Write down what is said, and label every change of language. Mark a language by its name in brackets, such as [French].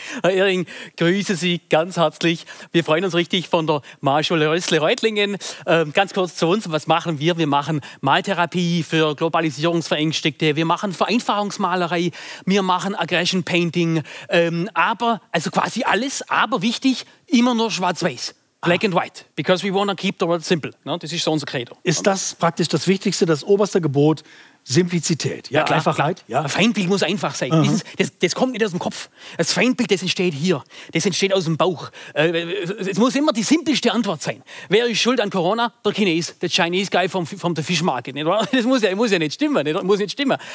[German] Herr Ehring, grüße Sie ganz herzlich. Wir freuen uns richtig von der Malschule Rössle-Reutlingen. Ganz kurz zu uns, was machen wir? Wir machen Maltherapie für Globalisierungsverängstigte. Wir machen Vereinfachungsmalerei. Wir machen Aggression Painting. Aber, also quasi alles, aber wichtig, immer nur schwarz-weiß. [English] Black and white, because we want to keep the world simple. [German] No? Das ist so unser Credo. Ist das praktisch das Wichtigste, das oberste Gebot, Simplizität? Ja, ja klar, Einfachheit? Klar. Ja. Ein Feindbild muss einfach sein. Mhm. Das kommt nicht aus dem Kopf. Das Feindbild, das entsteht hier. Das entsteht aus dem Bauch. Es muss immer die simpelste Antwort sein. Wer ist schuld an Corona? Der Chines, der Chinese Guy vom der Fish Market. Nicht? Das muss ja nicht stimmen. Nicht? Muss nicht stimmen.